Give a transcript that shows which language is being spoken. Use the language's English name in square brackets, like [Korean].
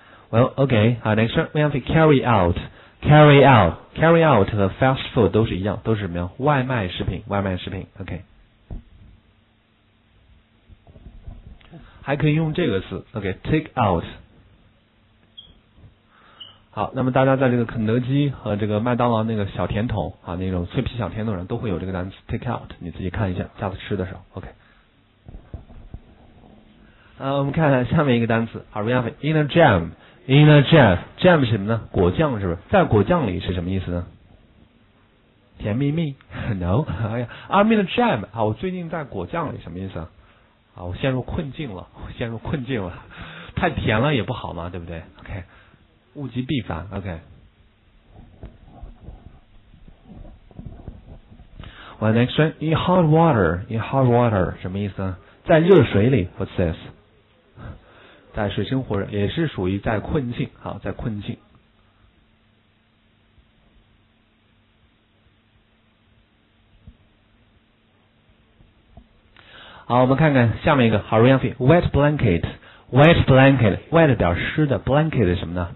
[English] Well, okay, next one, we have to carry out. Carry out. Carry out [Chinese] 和 [English] fast food [Chinese] 都是一样，都是什么样？外卖食品，外卖食品。 [English] Okay. [Chinese] 还可以用这个词， [English] okay, take out. [Chinese] 好，那么大家在这个肯德基和这个麦当劳那个小甜筒啊，那种脆皮小甜筒上都会有这个单词 [English] take out， [Chinese] 你自己看一下，下次吃的时候。 [English] Okay. [Chinese] 我们看看下面一个单词，好， [English] we have in a jam. In a jam, jam [Chinese] 是什么呢？果酱是不是？在果酱里是什么意思呢？甜蜜蜜 [English] ？No， [Chinese] 哎呀 [English] ，I'm in a jam。 [Chinese] 好，我最近在果酱里，什么意思啊？啊，我陷入困境了，我陷入困境了，太甜了也不好嘛，对不对 ？ [English] OK， [Chinese] 物极必反。 [English] OK， [Chinese] 我 [English] next one in hot water， in hot water [Chinese] 什么意思呢？在热水里 ， [English] What's this？ [Chinese] 在水深火热，也是属于在困境，好，在困境。好，我们看看下面一个 ， [English] hurry up， wet blanket， wet blanket， wet [Chinese] 表湿的， [English] blanket [Chinese] 是什么呢？